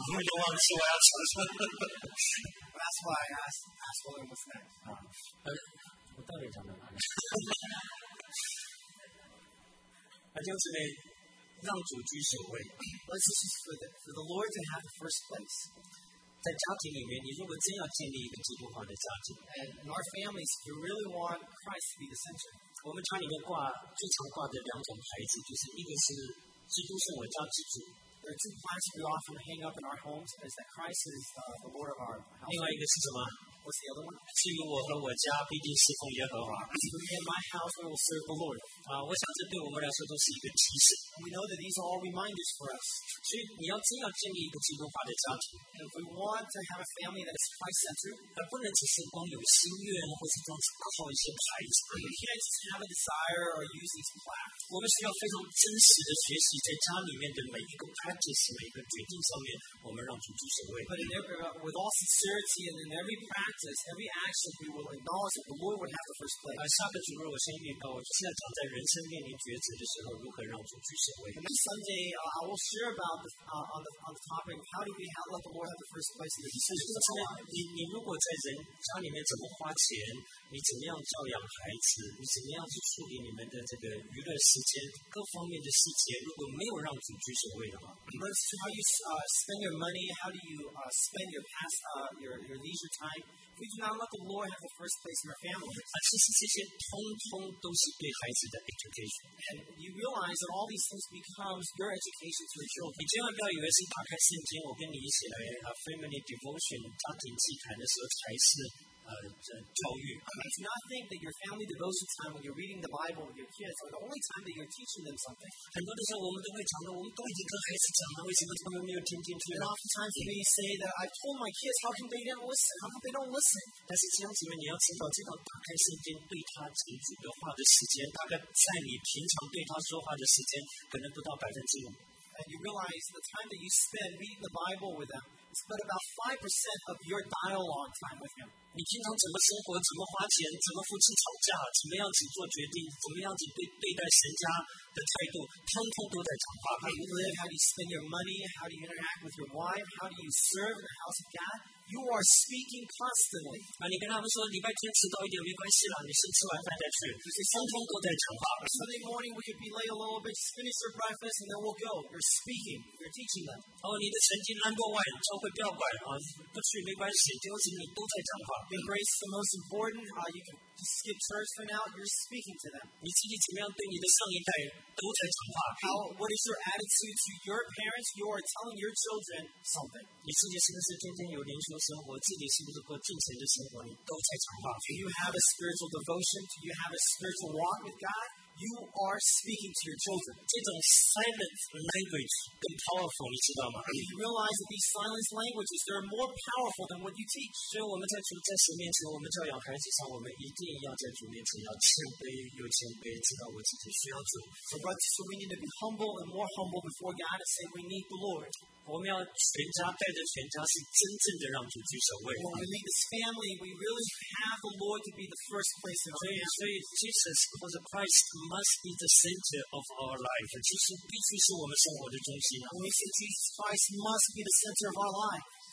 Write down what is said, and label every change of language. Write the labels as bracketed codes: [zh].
[en] I don't want to say what's next. That's why I asked him, what's next? What are you talking about? I just made [zh] 让主居首位。 [en] Let's just for the Lord to have the first place. [zh] 在家庭里面，你如果真要建立一个基督化的家庭 [en] ，and in our families, if you really want Christ to be the center. [zh] 我们家里面最常挂的两种牌子，就是一个是基督是我家之主 [en] ，there are two flags we often hang up in our homes is that Christ is the Lord of our house. [zh] 另外一个是什么 [en] ？What's the other one？ [zh] 至于我和我家，必定侍奉耶和华。 [en] So in my house, we will serve the Lord. [zh] 我想这对我们来说都是一个提示。 [en] We know that these are all reminders for us. [zh] 所以你要真要建立一个基督化的家庭 [en] ，if we want to have a family that is Christ-centered， [zh] 而不能只是光有心愿，或是光是靠一些牌子。 [en] We can't just have a desire or use these plaques。 [zh] 我们需要非常真实的学习，在家里面的每一个 practice， 每一个决定上面，我们让主主首位。 [en] But in every, with all sincerity and in every practice, every action, we will acknowledge that the Lord would have the first place。 [zh] 下个主日我先预告，现在正在人生面临抉择的时候，如何让主主。 [en] And this Sunday, I will share about this, on the topic of how do we let the Lord have the first place in this house. [zh] 你如果在人家里面怎么花钱，你怎么样教养孩子，你怎么样去处理你们的这个娱乐时间，各方面的细节，如果没有让主居首位的话 [en] ，Let's see how you spend your money. How do you spend your past your leisure time? We do not let the Lord have the first place in our family. [zh] 其实这些通通都是对孩子的 education. [en] And you realize that all these things becomes your education to your children. [zh] 你千万不要以为是打开圣经，我跟你一起来family devotion 家庭祭坛的时候才是。教育。 [en] Do not think that your family devotion time when you're reading the Bible with your kids are the only time that you're teaching them something. [zh] 很多的时候我们都会讲到，我们都已经跟孩子讲了，为什么他们没有听进去 [en] ？And oftentimes we say that I've told my kids, how come they don't listen? How come they don't listen? [zh] 但是弟兄姊妹，你要知道，这个打开圣经对他讲主的话的时间，大概在你平常对他说话的时间，可能不到5%。 [en] And you realize the time that you spend reading the Bible with them is but about 5% of your dialogue time with him. [zh] 你平常怎么生活？怎么花钱？怎么夫妻吵架？怎么样子做决定？怎么样子对待神家的态度？通通都在讲话。 [en] How you live? How do you spend your money? How do you interact with your wife? How do you serve the house of God? You are speaking constantly. [zh] 你跟他们说礼拜天迟到一点没关系了，你先吃完饭再去。通通都在讲话。 [en] Sunday morning, we could be late a little bit, finish your breakfast, and then we'll go. You're speaking. You're teaching them. [zh] 你的成绩 No.1， 教会不要管不去没关系，就是你都在讲话。 [en] Embrace the most important. You can skip church for now. You're speaking to them. [zh] 你自己怎么样对你的上一代都在讲话。 [en] How? What is your attitude to your parents? You are telling your children something. [zh] 你自己是不是天天有灵修生活？自己是不是过敬虔的生活？你都在讲话。 [en] Do you have a spiritual devotion? Do you have a spiritual walk with God? You are speaking to your children. [zh] 这种 [en] silent language [zh] 更 powerful， 你知道吗？ [en] You realize that these silent languages are more powerful than what you teach. [zh] 所以我们在神面前，我们教养孩子上，我们一定要在主面前要谦卑又谦卑，知道我自己需要主。 [en] So we need to be humble and more humble before God and say we need the Lord. [zh] 我们要全家带着全家是真正的让主居首位。 [en] When we lead this family, we really have the Lord to be the first place in our lives. 所以 Jesus or the Christ must be the center of our life. [zh] 其实必须是我们生活的中心。 [en] When we say Jesus Christ must be the center of our life.